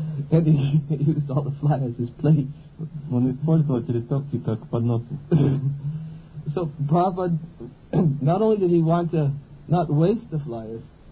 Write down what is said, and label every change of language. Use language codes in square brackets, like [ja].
[en] And he used all the flyers as plates. [ru] Он использовал эти листовки как подносы. [en] So Prabhupada, not only did he want to not waste the flyers.